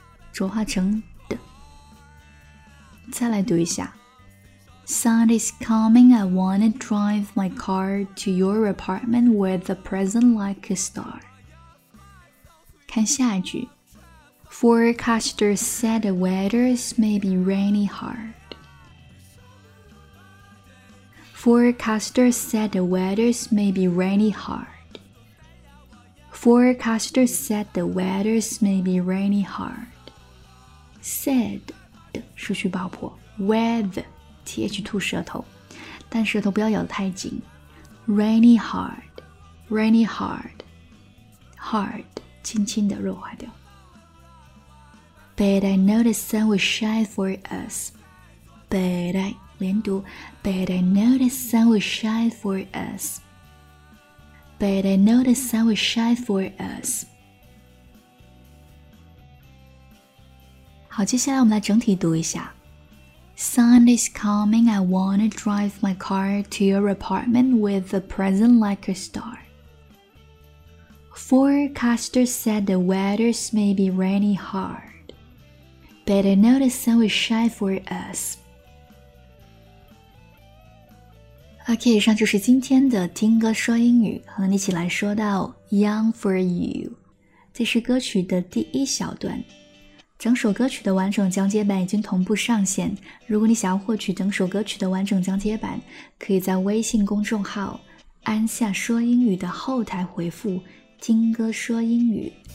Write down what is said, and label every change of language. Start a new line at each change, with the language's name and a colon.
Chinese: 浊化成 d 再来读一下
English: Sun is coming I wanna drive my car To your apartment With the present like a star
Chinese: 看下一句
English: Forecaster said the weather may be rainy hard. Forecaster said the weather may be rainy hard. Forecaster said the weather may be rainy hard.
Chinese: Said 的失去爆破 weather th 吐舌头，但舌头不要咬得太紧。
English: Rainy hard, rainy hard,
Chinese: hard 轻轻的弱化掉。
English: But I know the sun will shine for us. But I 连读 But I know the sun will shine for us. But I know the sun will shine for us.
Chinese: 好，接下来我们来整体读一下。
English: Sun is coming. I wanna drive my car to your apartment with a present like a star. Forecaster said the weather may be rainy hard. But I know the sun will shine for us.
Chinese: OK, 以上就是今天的听歌说英语，和你一起来说到 Young for You. 这是歌曲的第一小段。整首歌曲的完整讲解版已经同步上线。如果你想要获取整首歌曲的完整讲解版，可以在微信公众号安夏说英语的后台回复听歌说英语。